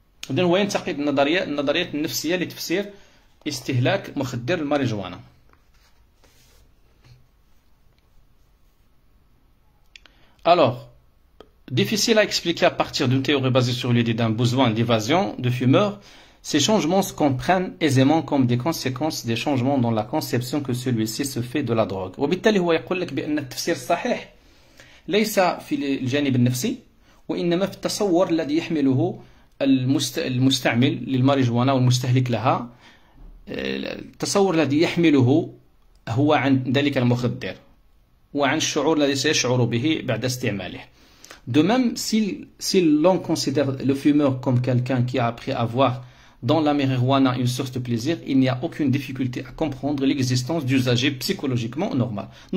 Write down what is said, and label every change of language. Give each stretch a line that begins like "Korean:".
Arabic: إذن هو ينتقد النظريات النفسية لتفسير استهلاك مخدر الماريجوانا.
French: Alors, difficile à expliquer à partir d'une théorie basée sur l'idée d'un besoin d'évasion de fumeur, ces changements se comprennent aisément comme des conséquences des changements dans la conception que celui-ci se fait de la drogue.
Arabic: وبالتالي هو يقول لك بأن التفسير الصحيح ليس في الجانب النفسي وإنما في التصور الذي يحمله المستعمل للماريجوانا والمستهلك لها. التصور الذي يحمله هو عن ذلك المخدر وعن الشعور الذي سيشعر به بعد استعماله.
French: De même, si l'on considère le fumeur comme quelqu'un qui a appris à voir dans la marijuana une source de plaisir, il n'y a aucune difficulté à comprendre l'existence d'usagers psychologiquement normaux.